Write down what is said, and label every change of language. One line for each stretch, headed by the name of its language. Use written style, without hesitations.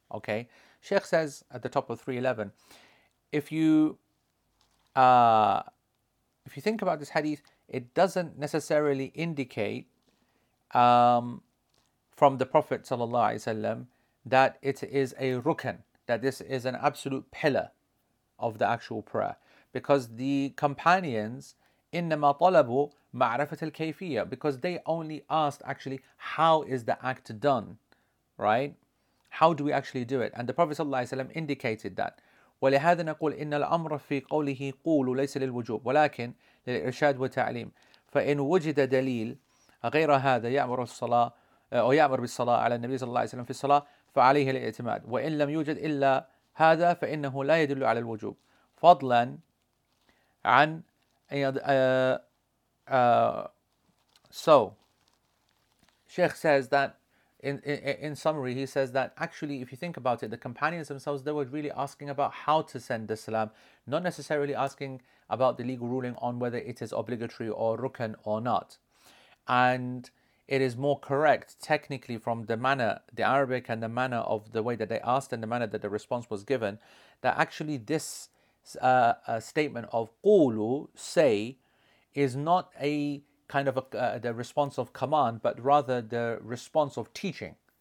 English: Okay, Sheikh says at the top of 311, if you think about this hadith, it doesn't necessarily indicate from the Prophet sallallahu alaihi wasallam that it is a rukn, that this is an absolute pillar of the actual prayer, because the companions
Arabic: innama talabu ma'rifat al-kayfiyya,
English: because they only asked actually how is the act done, right? How do we actually do it? And the Prophet sallallahu alaihi wasallam indicated that.
Arabic: ولهذا نقول إن الأمر في قوله قولوا ليس للوجوب ولكن للإرشاد والتعليم فإن وجد دليل غير هذا يأمر الصلاة أو يأمر بالصلاة على النبي صلى الله عليه وسلم في الصلاة فعليه الاعتماد وإن لم يوجد إلا هذا فإنه لا يدل على الوجوب فضلا عن
English: so Sheikh says that in summary, he says that actually if you think about it, the companions themselves, they were really asking about how to send the salam, not necessarily asking about the legal ruling on whether it is obligatory or rukn or not. And it is more correct technically from the manner, the Arabic and the manner of the way that they asked and the manner that the response was given, that actually this statement of qulu, say, is not a kind of the response of command, but rather the response of teaching.